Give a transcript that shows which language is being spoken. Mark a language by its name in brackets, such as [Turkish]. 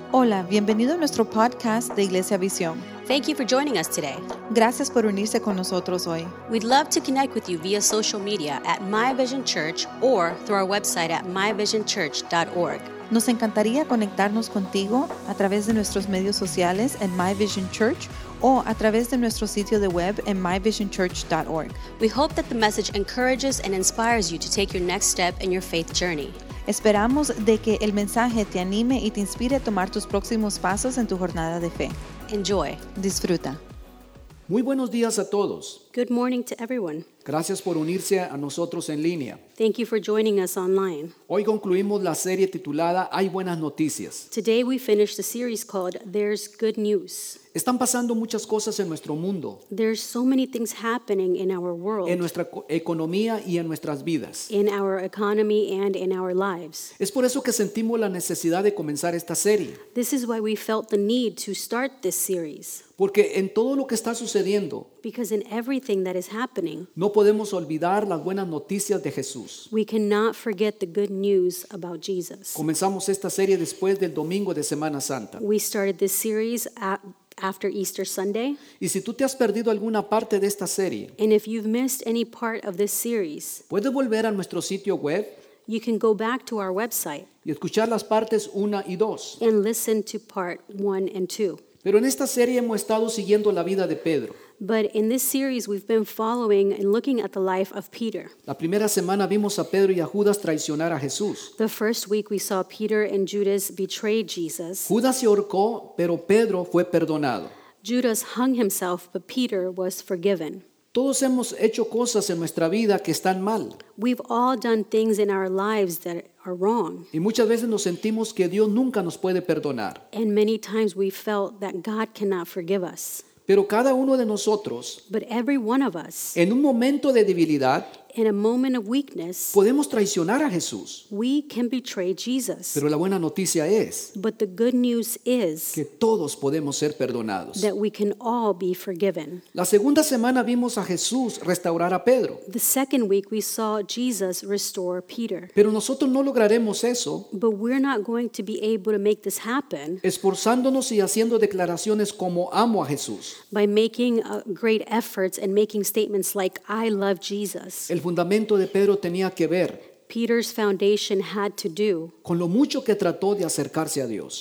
[Spanish] Hola, bienvenido a nuestro podcast de Iglesia Visión. [English] Thank you for joining us today. [Spanish] Gracias por unirse con nosotros hoy. [English] We'd love to connect with you via social media at My Vision Church or through our website at myvisionchurch.org. [Spanish] Nos encantaría conectarnos contigo a través de nuestros medios sociales en My Vision Church o a través de nuestro sitio de web en myvisionchurch.org. [English] We hope that the message encourages and inspires you to take your next step in your faith journey. [Spanish] Esperamos de que el mensaje te anime y te inspire a tomar tus próximos pasos en tu jornada de fe. [English] Enjoy. [Spanish] Disfruta. Muy buenos días a todos. [English] Good morning to everyone. [Spanish] Gracias por unirse a nosotros en línea. [English] Thank you for joining us online. [Spanish] Hoy concluimos la serie titulada Hay Buenas Noticias. [English] Today we finished the series called There's Good News. [Spanish] Están pasando muchas cosas en nuestro mundo. [English] There's so many things happening in our world. [Spanish] En nuestra economía y en nuestras vidas. [English] In our economy and in our lives. [Spanish] Es por eso que sentimos la necesidad de comenzar esta serie. [English] This is why we felt the need to start this series. [Spanish] Porque en todo lo que está sucediendo, [English] because in everything that is happening, [Spanish] no podemos olvidar las buenas noticias de Jesús. [English] We cannot forget the good news about Jesus. [Spanish] Comenzamos esta serie después del domingo de Semana Santa. [English] We started this series after Easter Sunday. [Spanish] Y si tú te has perdido alguna parte de esta serie, [English] and if you've missed any part of this series, [Spanish] puedes volver a nuestro sitio web. [English] You can go back to our website. [Spanish] Y escuchar las partes 1 y 2. [English] And listen to part 1 and 2. [Spanish] Pero en esta serie hemos estado siguiendo la vida de Pedro. [English] But in this series, we've been following and looking at the life of Peter. [Spanish] La primera semana vimos a Pedro y a Judas traicionar a Jesús. [English] The first week, we saw Peter and Judas betray Jesus. [Spanish] Judas se ahorcó, pero Pedro fue perdonado. [English] Judas hung himself, but Peter was forgiven. [Spanish] Todos hemos hecho cosas en nuestra vida que están mal. [English] We've all done things in our lives that are wrong. [Spanish] Y muchas veces nos sentimos que Dios nunca nos puede perdonar. [English] And many times we felt that God cannot forgive us. [Spanish] Pero cada uno de nosotros, [English] but every one of us, [Spanish] en un momento de debilidad, [English] in a moment of weakness, [Spanish] podemos traicionar a Jesús. [English] We can betray Jesus. [Spanish] Pero la buena noticia es, [English] but the good news is, [Spanish] que todos podemos ser perdonados. [English] That we can all be forgiven. [Spanish] La segunda semana vimos a Jesús restaurar a Pedro. [English] The second week we saw Jesus restore Peter. [Spanish] Pero nosotros no lograremos eso, [English] but we're not going to be able to make this happen, [Spanish] esforzándonos y haciendo declaraciones como amo a Jesús. [English] By making great efforts and making statements like I love Jesus. [Spanish] El fundamento de Pedro tenía que ver, [English] Peter's foundation had to do, [Spanish] con lo mucho que trató de acercarse a Dios,